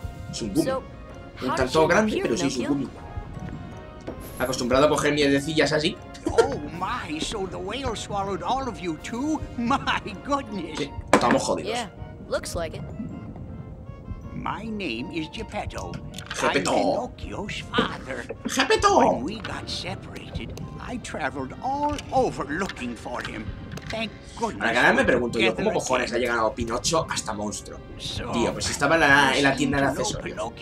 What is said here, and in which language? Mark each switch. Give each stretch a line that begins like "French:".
Spanish: ¿Es un boom? Un tanto grande, pero sí, es un boom. Acostumbrado a coger miedecillas así.
English: Oh my, so the whale swallowed all of you too. My goodness.
Spanish: Sí, estamos jodidos.
English: Yeah, looks like it. My name is Geppetto. Geppetto. I'm Pinocchio's father. Geppetto. When we got separated, I traveled all over looking for him. Thank goodness.
Spanish: Ahora que me pregunto yo, ¿cómo cojones ha llegado Pinocho hasta monstruo? Tío, pues estaba en la tienda de accesorios.